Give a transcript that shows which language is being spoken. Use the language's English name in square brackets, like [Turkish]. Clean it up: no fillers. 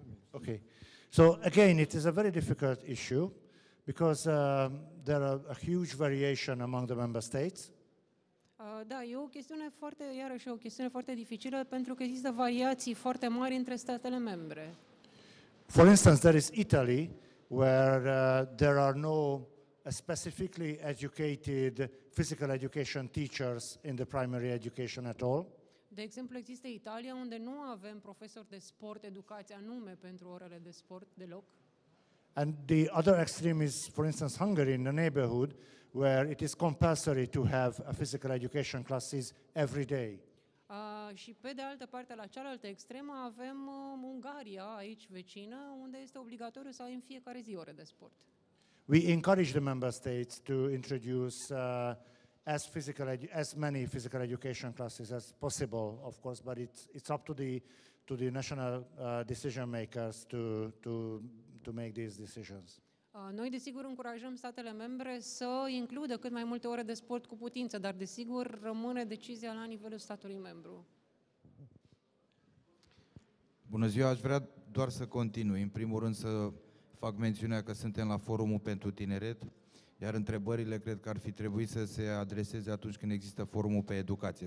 [English] Okay, so again, it is a very difficult issue because there are a huge variation among the member states. [Romanian] Da, e o chestiune foarte, iarăși, o chestiune foarte dificilă pentru că există variații foarte mari între statele membre. [English] For instance, there is Italy, where there are no specifically educated physical education teachers in the primary education at all. [Romanian] De exemplu, există Italia unde nu avem profesori de sport, educație anume pentru orele de sport deloc. [English] And the other extreme is, for instance, Hungary in the neighborhood, where it is compulsory to have a physical education classes every day. [Romanian] Și pe de altă parte, la cealaltă extremă, avem Ungaria, aici vecină, unde este obligatoriu să ai în fiecare zi ore de sport. [English] We encourage the member states to introduce as many physical education classes as possible, of course, but it's up to the national decision makers to to make these decisions. [Romanian] Noi, desigur, încurajăm statele membre să includă cât mai multe ore de sport cu putință, dar, desigur, rămâne decizia la nivelul statului membru. Bună ziua, aș vrea doar să continui. În primul rând să fac mențiunea că suntem la Forumul pentru Tineret, iar întrebările cred că ar fi trebuit să se adreseze atunci când există Forumul pe Educație.